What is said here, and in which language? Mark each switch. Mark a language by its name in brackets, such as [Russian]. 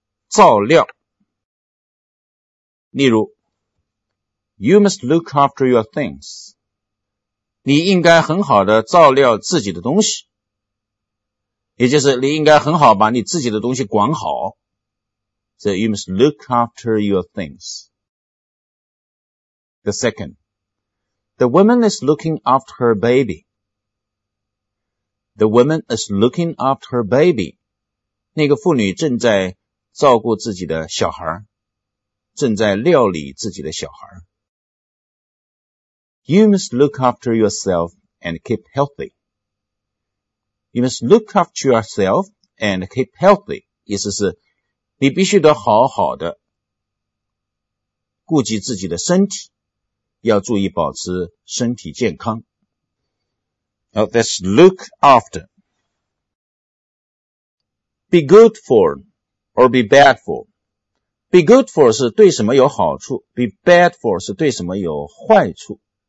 [Chinese] 照料，例如 [English] You must look after your things. [Chinese] 你应该很好的照料自己的东西，也就是你应该很好把你自己的东西管好。 [English] So you must look after your things. The second, the woman is looking after her baby. The woman is looking after her baby. [Chinese] 那个妇女正在照顾自己的小孩，正在料理自己的小孩。 [English] You must look after yourself and keep healthy. You must look after yourself and keep healthy. [Chinese] 意思是，你必须得好好的顾及自己的身体，要注意保持身体健康。 [English] Now, let's look after. Be good for. Or be bad for. Be good for [Chinese] 是对什么有好处， [English] be bad for [Chinese] 是对什么有坏处。